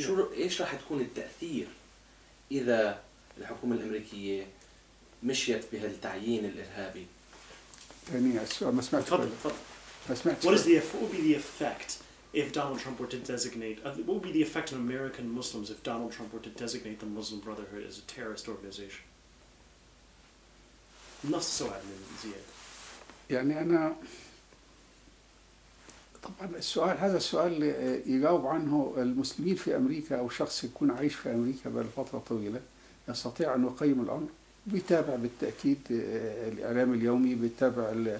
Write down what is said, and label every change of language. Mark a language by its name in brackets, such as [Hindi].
[Arabic] شو إيش راح تكون التأثير إذا الحكومة الأمريكية مشيت بهالتعيين الإرهابي؟ يعني السؤال ما سمعت. تفضل. [English] What is the effect if Donald Trump were to designate, what would be the effect on American Muslims if Donald Trump were to designate the Muslim Brotherhood as a terrorist organization? [Arabic] نفس السؤال من زياد. يعني أنا طبعا السؤال هذا السؤال يجاوب عنه المسلمين في أمريكا أو شخص يكون عايش في أمريكا بالفترة طويلة يستطيع أن يقيم الأمر، بيتابع بالتأكيد الإعلام اليومي، بيتابع